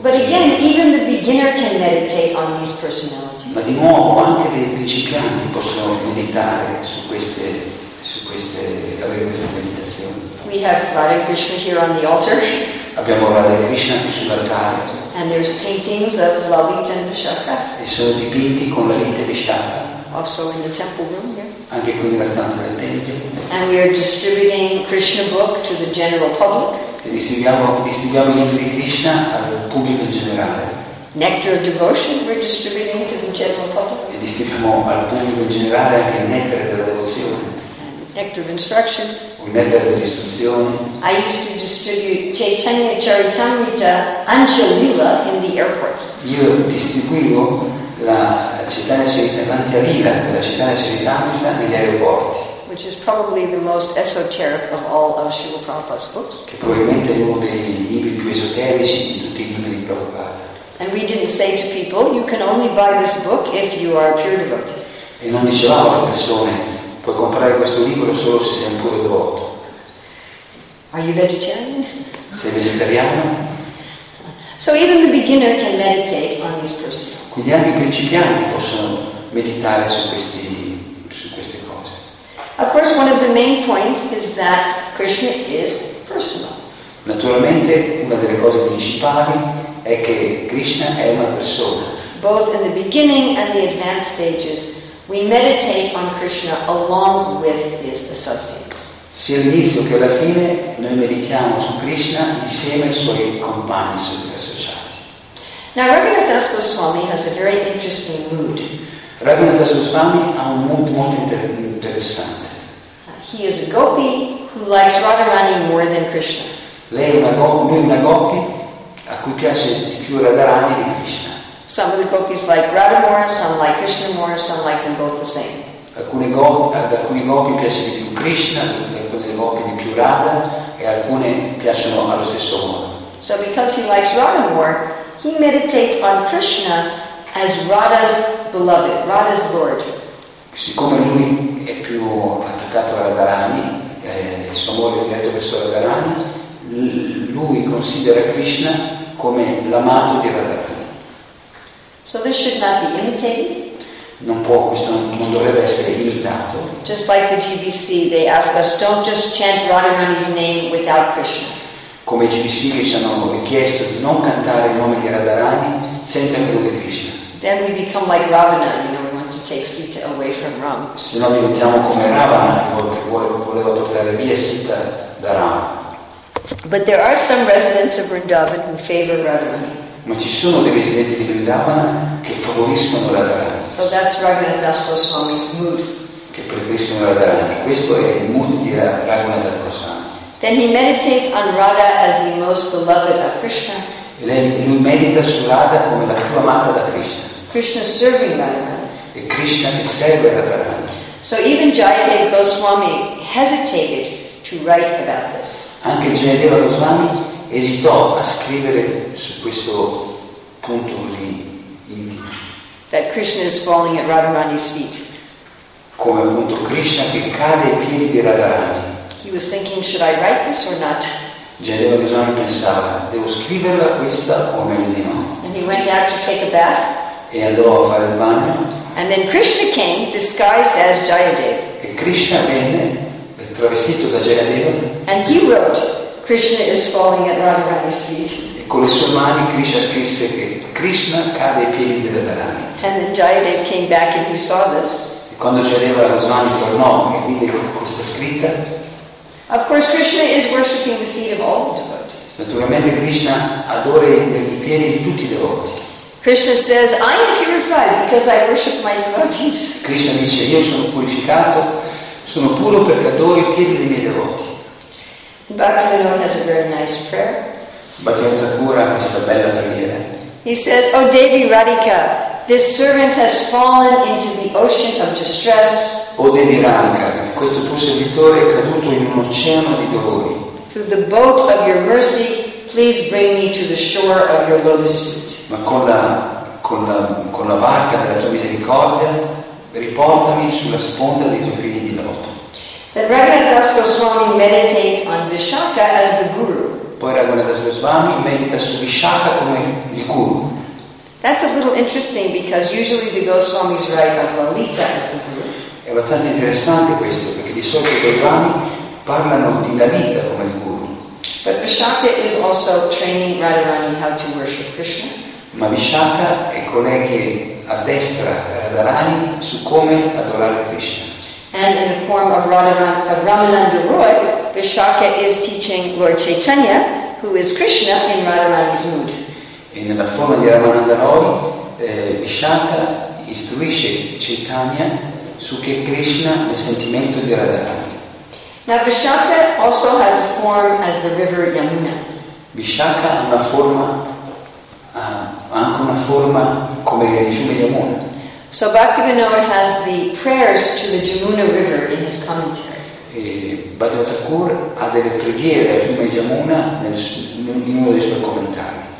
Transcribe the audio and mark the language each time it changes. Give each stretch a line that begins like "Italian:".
English: But again, even the beginner can meditate on these personalities.
Italian: Ma di nuovo anche dei principianti possono meditare su queste avere questa meditazione.
English: We have Radha Krishna here on the altar.
Italian: Abbiamo Radha Krishna sull'altare.
English: And there's paintings of Lalita and Vishakha.
Italian: E sono dipinti con Lalita e Vishakha.
English: Also in the temple room here.
Italian: Anche qui nella stanza del tempio.
English: And we are distributing Krishna book to the general public.
Italian: E distribuiamo i libri di Krishna al pubblico generale.
English: Nectar of devotion we're distributing to the general public.
Italian: E distribuiamo al pubblico generale anche il nettare della devozione.
English: Nectar of instruction.
Italian: Un nettare dell'istruzione.
English: I used to distribute Chaitanya Charitamrita Anjalila in the airports.
Italian: Io distribuivo la città dell'Antialila, la città dell'Antialila negli aeroporti.
English: Which is probably the most esoteric of all of Srila Prabhupada's books.
Italian: Che probabilmente è uno dei libri più esoterici di tutti i libri di Prabhupada.
English: And we didn't say to people, you can only buy this book if you are a pure devotee.
Italian: E non dicevamo alle persone, puoi comprare questo libro solo se sei un puro devoto.
English: Are you vegetarian?
Italian: Sei vegetariano?
English: So even the beginner can meditate on these persons.
Italian: Quindi anche i principianti possono meditare su queste cose.
English: Of course, one of the main points is that Krishna is personal.
Italian: Naturalmente, una delle cose principali è che Krishna è una persona.
English: Both in the beginning and the advanced stages, we meditate on Krishna along with his associates.
Italian: Sia all'inizio che alla fine, noi meditiamo su Krishna insieme ai suoi compagni, suoi associati.
English: Now Raghunath Das Goswami has a very interesting mood.
Italian: Raghunath Das Goswami ha un mood molto interessante.
English: He is a gopi who likes Radharani more than Krishna.
Italian: Lui è una gopi a cui piace di più Radharani di Krishna.
English: Some of the gopis like Radha more, some like Krishna more, some like them both the same.
Italian: Alcuni gopi piace di più Krishna, alcune gopi di più Radha e alcune piacciono allo stesso modo.
English: So because he likes Radha more, he meditates on Krishna as Radha's beloved, Radha's Lord.
Italian: Siccome lui è più attaccato a Radharani, suo amore è detto verso Radharani, lui considera Krishna come l'amato di Radharani.
English: So this should not be imitated.
Italian: Non dovrebbe essere imitato.
English: Just like the GBC, they ask us, don't just chant Radharani's name without Krishna.
Italian: Come i GBC che ci hanno richiesto di non cantare il nome di Radharani senza quello di Krishna.
English: Then we become like Ravana, you know, we want to take Sita away from Ram.
Italian: Se no diventiamo come Ravana, voleva portare via Sita da Ram.
English: But there are some residents of Vrindavan who favor Radharani.
Italian: Ma ci sono dei residenti di Vrindavana che favoriscono Radharani.
English: So that's Raghunath Das Goswami's mood.
Italian: Che preferiscono Radharani. Questo è il mood di Raghunath Das Goswami.
English: Then he meditates on Radha as the most beloved of Krishna.
Italian: Lui medita su Radha come la più amata da Krishna.
English: Krishna serving Radha.
Italian: E Krishna che serve Radharani.
English: So even Jayadeva Goswami hesitated to write about this.
Italian: Anche Jayadeva Goswami esitò a scrivere su questo punto così intimo.
English: That Krishna is falling at Radharani's feet.
Italian: Come appunto Krishna che cade ai piedi di Radharani.
English: He was thinking, should I write this or not?
Italian: Jayadeva Goswami pensava, devo scriverla questa o meglio di no?
English: And he went out to take a bath.
Italian: E andò a fare il bagno.
English: And then Krishna came disguised as Jayadeva.
Italian: E Krishna venne travestito da Jayadeva.
English: And he wrote, Krishna is falling at Radharani's feet.
Italian: E con le sue mani Krishna scrisse che Krishna cade ai piedi di Radharani.
English: And then Jayadeva came back and he saw this.
Italian: E quando Jayadeva Goswami tornò e vide questa scritta.
English: Of course Krishna is worshipping the feet of all the devotees.
Italian: Naturalmente Krishna adora i piedi di tutti i devoti.
English: Krishna says, I am purified because I worship my devotees.
Italian: Krishna dice, io sono purificato, sono puro peccatore, pieno dei miei devoti.
English: Bhaktivinoda has a very nice prayer.
Italian: Bhaktivinoda Thakura ha questa bella preghiera.
English: He says, O Devi Radhika, this servant has fallen into the ocean of distress.
Italian: O Devi Radhika, questo tuo servitore è caduto in un oceano di dolori.
English: Through the boat of your mercy, please bring me to the shore of your lotus feet.
Italian: Ma con la barca della tua misericordia, riportami sulla sponda dei tuoi piedi di loto.
English: Then Raghunath Das Goswami meditates on Vishakha as the guru.
Italian: Poi Raghunath Das Goswami medita su Vishakha come il guru.
English: That's a little interesting because usually the Goswamis write of Lalita as the guru.
Italian: È abbastanza interessante questo perché di solito i Goswami parlano di Lalita come il guru.
English: But Vishakha is also training Radharani how to worship Krishna.
Italian: Ma Vishakha è colei che addestra Radharani su come adorare Krishna.
English: And in the form of Ramananda Roy, Vishakha is teaching Lord Chaitanya, who is Krishna, in Radharani's mood.
Italian: E nella forma di Ramananda Roy, Vishakha istruisce Chaitanya su che Krishna nel sentimento di Radharani.
English: Now Vishakha also has a form as the river Yamuna.
Italian: Vishakha ha una forma, anche una forma come il fiume Yamuna.
English: So Bhaktivinoda has the prayers to the Yamuna River in his commentary.
Italian: E Bhaktivinoda Thakur ha delle preghiere al fiume Yamuna in uno dei suoi commentari.